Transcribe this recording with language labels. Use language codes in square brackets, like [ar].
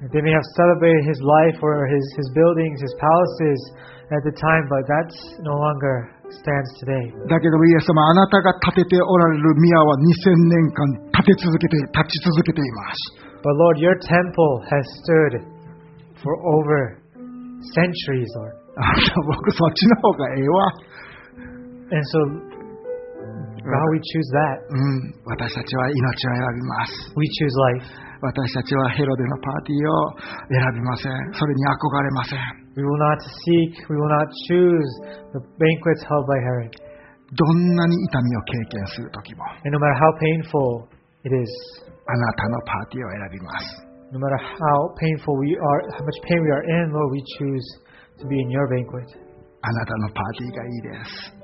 [en] They may have celebrated his life or his buildings, his palaces at the time, but that's no longer. Stands today. [ja] だけどイエス様あなたが建てておられる宮は2000年間建て続けて立ち続けています [en] But Lord, your temple has stood for over centuries, Lord. [ja] 僕そっちの方がええわ [en] And so how we choose that、 [ja] うん、私たちは命を選びます [en] We choose life [ja] 私たちはヘロデのパーティーを選びませんそれに憧れません [en] We will not seek, we will not choose the banquets held by Herod. [ja] どんなに痛みを経験するときも。 [en] And no matter how painful it is, [ja] あなたのパーティーを選びます。 [en] No matter how painful we are, how much pain we are in, Lord, we choose to be in your banquet. [ja] あなたのパーティーがいいです。